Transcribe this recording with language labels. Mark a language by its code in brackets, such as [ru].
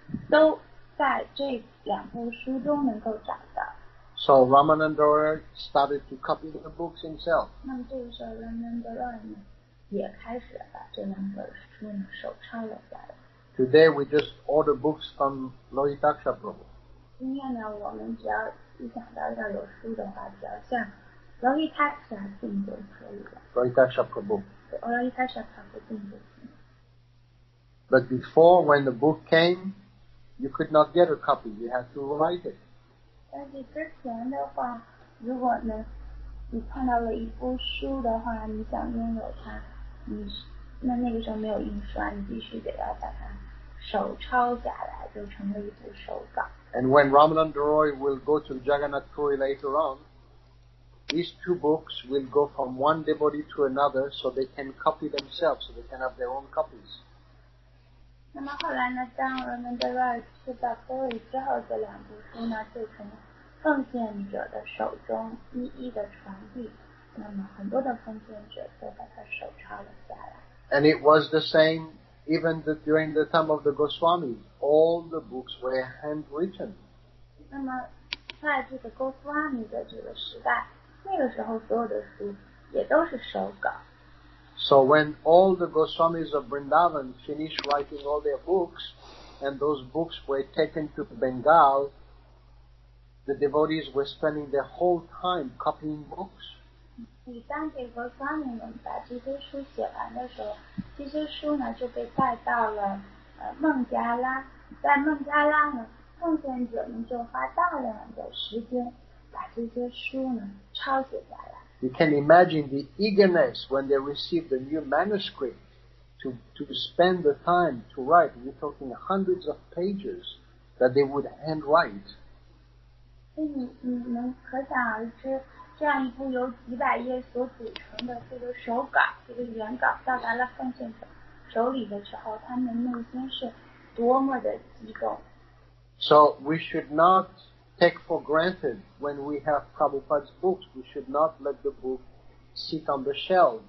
[zh] 都在这两部书中能够找到。 [en] So Ramanandora started to copy the books himself. [zh] 那这个时候 Ramanandora 呢，也开始把这两本书呢手抄了下来。 [en] Today we just order books from Lohitaksha Prabhu. [zh] 今天呢，我们只要一想到要有书的话，只要向 Lohitaksha 订就可以了。 [en] Lohitaksha Prabhu. [zh] Lohitaksha Prabhu 订就行。 [en] But before, when the book came, you could not get a copy. You had to write it. [zh] 但是之前的话，如果呢，你看到了一部书的话，你想拥有它，那个时候没有印刷，你必须得要把它手抄下来，就成了一部手稿。 [en] And when Ramananda Roy will go to Jagannath Puri later on, these two books will go from one devotee to another, so they can copy themselves, so they can have their own copies. [zh] 那么后来呢，当 Ramananda 去到 Puri 之后，这两部书呢就从奉献者的手中一一的传递，那么很多的奉献者都把它手抄了下来。 [en] And it was the same even during the time of the Goswamis. All the books were handwritten. [zh] 那么在这个 Goswami 的这个时代，那个时候所有的书也都是手稿。 [en] So when all the Goswamis of Vrindavan finished writing all their books, and those books were taken to Bengal, the devotees were spending their whole time copying books. [zh] 你当给 Goswami 们把这些书写完的时候，这些书呢就被带到了孟加拉，在孟加拉呢，奉献者们就花大量的时间把这些书呢抄写下来。 [en] You can imagine the eagerness when they received the new manuscript to spend the time to write. We're talking hundreds of pages that they would handwrite. [zh] 你们可想而知，这样一部由几百页所组成的这个手稿，这个原稿到达了奉献者手里的时候，他们内心是多么的激动。 [en] So we should not. Take for granted when we have Prabhupada's books, we should not let the book sit on the shelf.